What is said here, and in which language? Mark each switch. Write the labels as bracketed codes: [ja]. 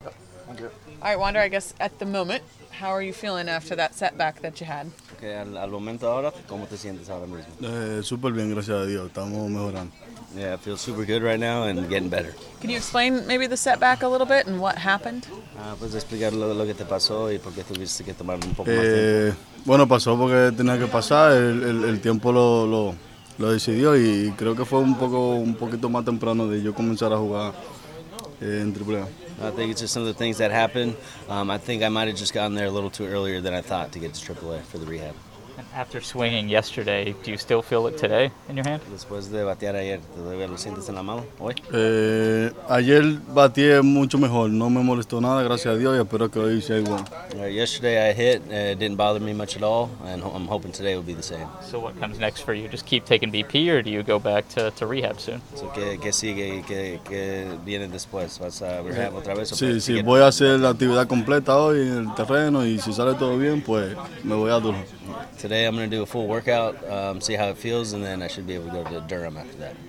[en] All right, Wander, I guess at the moment, how are you feeling after that setback that you had? [es] Okay, al momento ahora, ¿cómo te sientes ahora mismo? Super bien, gracias a Dios. Estamos mejorando. [en] Yeah, I feel super good right now and getting better. Can you explain maybe the setback a little bit and what happened? [es] Pues explicar lo que te pasó y por qué tuviste que tomar un poco más tiempo. Bueno, pasó porque tenía que pasar, el tiempo lo decidió y creo que fue un poquito más temprano de yo comenzar a jugar en AAA. [en] I think it's just some of the things that happened. I think I might have just gotten there a little too earlier than I thought to get to AAA for the rehab. And after swinging yesterday, do you still feel it today in your hand? [es] Después de batear ayer, ¿todavía lo sientes en la mano hoy? Ayer bateé mucho mejor. No me molestó nada, gracias a Dios, y espero que hoy sea igual. [en] Yesterday I hit. It didn't bother me much at all, and I'm hoping today will be the same. So what comes next for you? Just keep taking BP, or do you go back to rehab soon? [es] So ¿qué sigue? ¿Qué viene después? ¿Vas a rehab otra vez? Sí. Voy a hacer la actividad completa hoy en el terreno, y si sale todo bien, pues me voy a duro. [en] Today I'm going to do a full workout, see how it feels, and then I should be able to go to Durham after that.